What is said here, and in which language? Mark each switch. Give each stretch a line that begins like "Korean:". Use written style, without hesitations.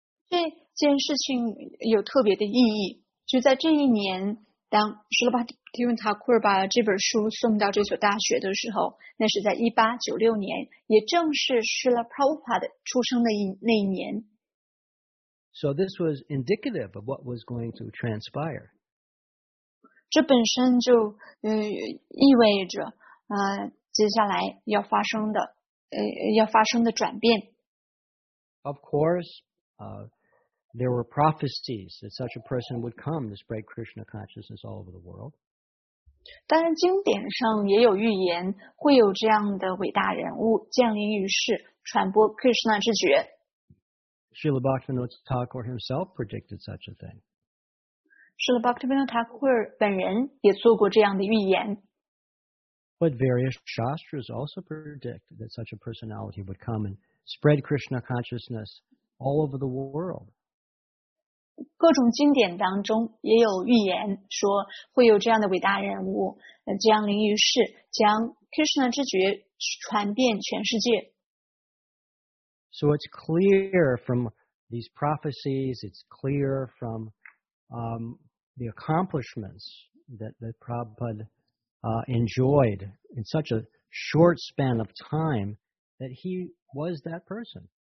Chinese: 这件事情有特别的意义，就在这一年，当 Srila Bhaktivinoda Thakur 把这本书送到这所大学的时候，那是在1896年，也正是 Srila Prabhupada 出生的那一年。
English: So this was indicative of what was going to transpire.
Chinese: 这本身就意味着接下来要发生的转变。
English: Of course, There were prophecies that such a person would come to spread Krishna consciousness all over the world.
Chinese: 当然经典上也有预言会有这样的伟大人物降临于世传播 Krishna 之觉。
English: Srila Bhaktivinoda Thakur himself predicted such a thing.
Chinese: Srila Bhaktivinoda Thakur 本人也做过这样的预言。
English: But various Shastras also predict that such a personality would come and spread Krishna consciousness all over the world.
Chinese: 各种经典当中也有预言说会有这样的伟大人物降临于世，将 Krishna 之觉传遍全世界。
English: So it's clear from these prophecies, it's clear from the accomplishments that Prabhupada enjoyed in such a short span of time that he was that person.